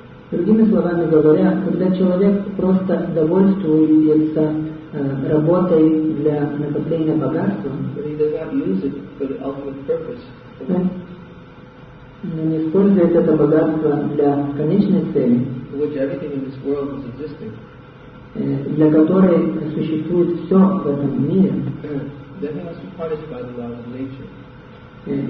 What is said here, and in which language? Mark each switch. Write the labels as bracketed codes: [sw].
[ru] другими словами говоря, когда человек просто довольствуется работой для накопления богатства, [en] but he does not use it for the ultimate purpose. [ru] Он не использует это богатство для конечной цели, [en] for which everything in this world is existing, [ru] для которой существует все в этом мире, [en] then he must be punished by the laws of nature.